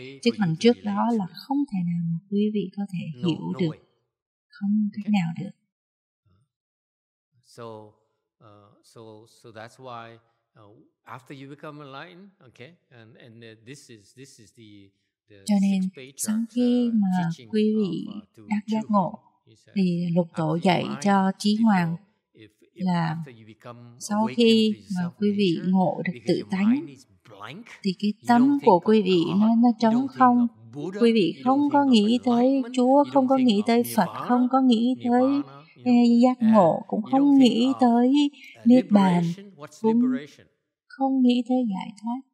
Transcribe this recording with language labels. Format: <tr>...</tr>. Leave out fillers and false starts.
<vi>Chứ còn trước đó là không thể nào mà quý vị có thể hiểu được. Không cách nào được.</vi> <en>So that's why after you become enlightened, okay, and this is the</en> <vi>cho nên sau khi mà quý vị đắc giác ngộ thì lục tổ dạy cho Chí Hoàng là sau khi mà quý vị ngộ được tự tánh thì cái tâm của quý vị nó trống không, quý vị không có nghĩ tới Chúa, không có nghĩ tới Phật, không có nghĩ tới giác ngộ, cũng không nghĩ tới Niết Bàn, cũng không nghĩ tới giải thoát.</vi>